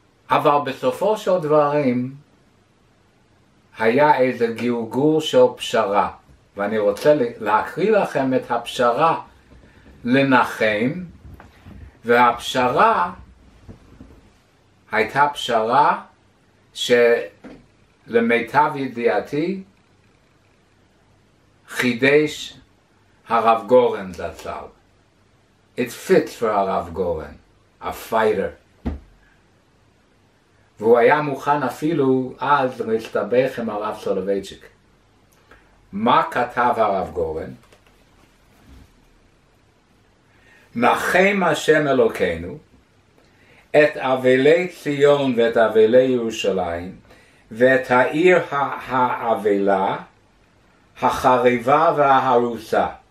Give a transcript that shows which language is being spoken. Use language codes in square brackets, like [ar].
[he] אבל בסופו של דברים, היה איזה גיוגור של פשרה, ואני רוצה להקריא לכם את הפשרה לנחם, והפשרה הייתה פשרה שלמיטב ידיעתי חידש הרב גורן זצ"ל. [en] It fits for הרב גורן, a fighter. [he] והוא היה מוכן אפילו אז להסתבך עם הרב סולובייצ'יק. מה כתב הרב גורן? נחם השם אלוקינו את אבלי ציון ואת אבלי ירושלים ואת העיר האבלה, החריבה וההרוסה.